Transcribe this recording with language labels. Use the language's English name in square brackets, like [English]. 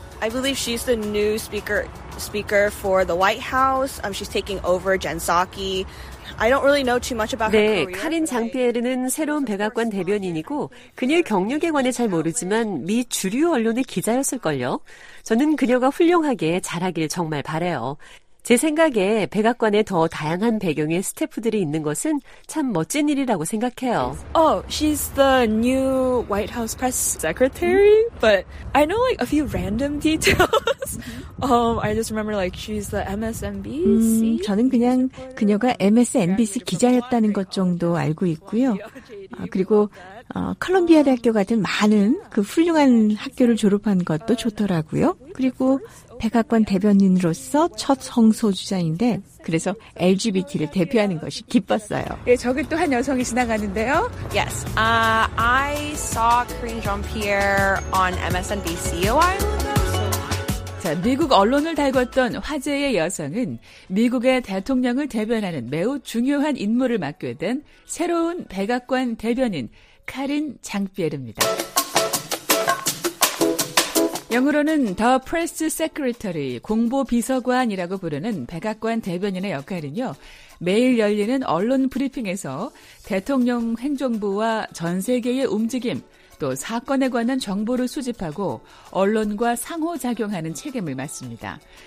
[English] I believe she's the new speaker for the White House. She's taking over Jen Psaki. I don't really know too much about her career. [Korean] 네, 카린 장피에르는 새로운 백악관 대변인이고 그녀의 경력에 관해 잘 모르지만 미 주류 언론의 기자였을걸요. 저는 그녀가 훌륭하게 잘하길 정말 바래요. 제 생각에 백악관에 더 다양한 배경의 스태프들이 있는 것은 참 멋진 일이라고 생각해요. [English] Oh, she's the new White House press secretary, but I know like a few random details. I just remember like she's the MSNBC. [Korean] 저는 그냥 그녀가 MSNBC 기자였다는 것 정도 알고 있고요. 그리고 컬럼비아 대학교 같은 많은 그 훌륭한 학교를 졸업한 것도 좋더라고요. 그리고 백악관 대변인으로서 첫 성소주자인데 그래서 LGBT를 대표하는 것이 기뻤어요. 예, 저기 또 한 여성이 지나가는데요. [English] Yes, I saw Karine Jean-Pierre on MSNBC a while ago. [Korean] 자, 미국 언론을 달궜던 화제의 여성은 미국의 대통령을 대변하는 매우 중요한 인물을 맡게 된 새로운 백악관 대변인 카린 장피에르입니다. 영어로는 The Press Secretary, 공보비서관이라고 부르는 백악관 대변인의 역할은요, 매일 열리는 언론 브리핑에서 대통령 행정부와 전 세계의 움직임, 또 사건에 관한 정보를 수집하고 언론과 상호작용하는 책임을 맡습니다.